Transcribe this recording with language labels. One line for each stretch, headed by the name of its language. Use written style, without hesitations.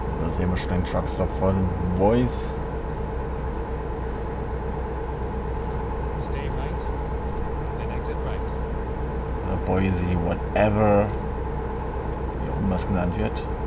German: Da sehen wir schon den Truckstop von Boys.
English: Stay right, then exit right.
German: Oder Boise, whatever, wie auch immer es genannt wird.